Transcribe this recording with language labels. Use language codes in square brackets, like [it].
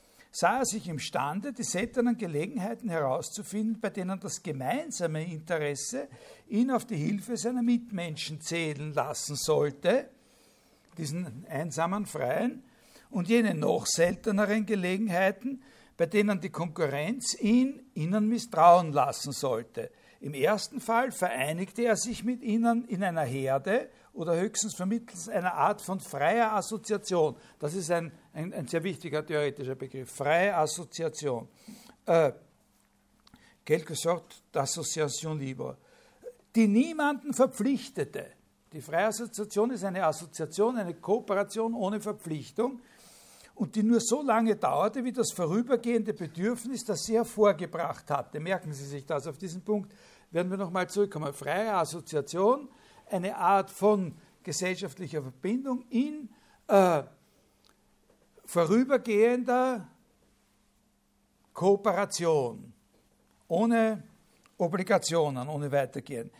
[de] Sah er sich imstande, die seltenen Gelegenheiten herauszufinden, bei denen das gemeinsame Interesse ihn auf die Hilfe seiner Mitmenschen zählen lassen sollte, diesen einsamen Freien, und jene noch selteneren Gelegenheiten, bei denen die Konkurrenz ihn ihnen misstrauen lassen sollte. Im ersten Fall vereinigte er sich mit ihnen in einer Herde oder höchstens vermittels einer Art von freier Assoziation. Das ist ein sehr wichtiger theoretischer Begriff, freie Assoziation. [fr] Quelque sorte d'association libre. [de] Die niemanden verpflichtete. Die freie Assoziation ist eine Assoziation, eine Kooperation ohne Verpflichtung und die nur so lange dauerte, wie das vorübergehende Bedürfnis das sie hervorgebracht hatte. Merken Sie sich das, auf diesen Punkt werden wir nochmal zurückkommen. Freie Assoziation, eine Art von gesellschaftlicher Verbindung in vorübergehender Kooperation, ohne Obligationen, ohne Weitergehen.